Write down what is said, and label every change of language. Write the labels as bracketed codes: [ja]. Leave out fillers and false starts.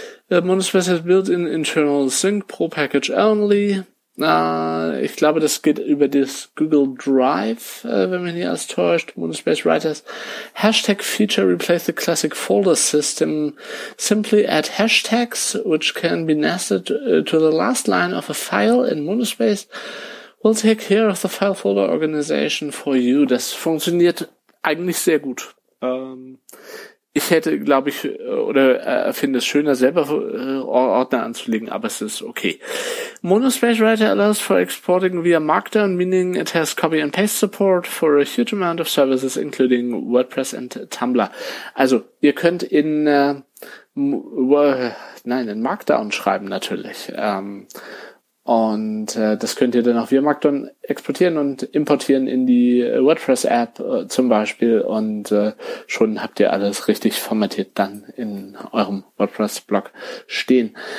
[en] Monospace has built in internal sync pro package only. [de] Ich glaube, das geht über das Google Drive, wenn man hier alles täuscht. [en] Monospace Writers. Hashtag feature replace the classic folder system. Simply add hashtags, which can be nested to the last line of a file in Monospace. We'll take care of the file folder organization for you. [de] Das funktioniert eigentlich sehr gut. Ich hätte, glaube ich, oder finde es schöner, selber Ordner anzulegen, aber es ist okay. [en] Monospace Writer allows for exporting via Markdown, meaning it has copy and paste support for a huge amount of services, including WordPress and Tumblr. [de] Also, ihr könnt in Markdown schreiben natürlich. Das könnt ihr dann auch via Markdown exportieren und importieren in die WordPress-App zum Beispiel. Und schon habt ihr alles richtig formatiert dann in eurem WordPress-Blog stehen.